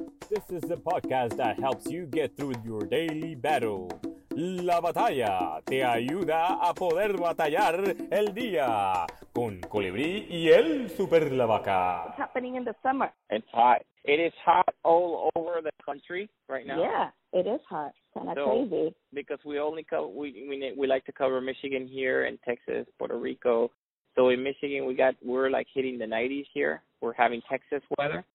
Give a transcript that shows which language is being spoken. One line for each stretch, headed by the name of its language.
English: This is the podcast that helps you get through your daily battle.
Spanish: La batalla te ayuda a poder batallar el día con Colibrí y el Super Lavaca.
English: What's happening in the summer? It's hot. It is hot all over the country right now. Yeah, it is hot. Kind of crazy. Because we only we like to cover Michigan here and Texas, Puerto Rico. So in Michigan, we're like hitting the 90s here. We're having Texas weather.